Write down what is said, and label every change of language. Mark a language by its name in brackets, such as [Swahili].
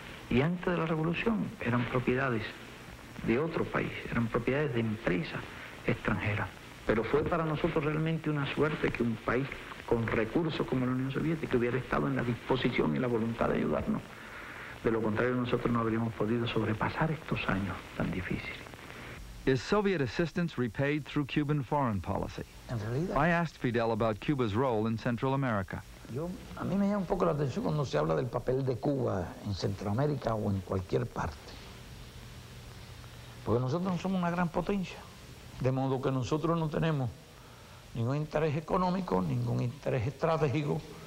[Spanish] Y antes de la revolución eran propiedades de otro país, eran propiedades de empresas extranjeras. Pero fue para nosotros realmente una suerte que un país con recursos como la Unión Soviética hubiera estado en la disposición y la voluntad de ayudarnos. De lo contrario, nosotros no habríamos podido sobrepasar estos años tan difíciles. [English] Is Soviet assistance repaid through Cuban foreign policy? I asked Fidel about Cuba's role in Central America. [Spanish] A mí me llama un poco la atención cuando se habla del papel de Cuba en Centroamérica o en cualquier parte. Porque nosotros no somos una gran potencia. De modo que nosotros no tenemos ningún interés económico, ningún interés estratégico.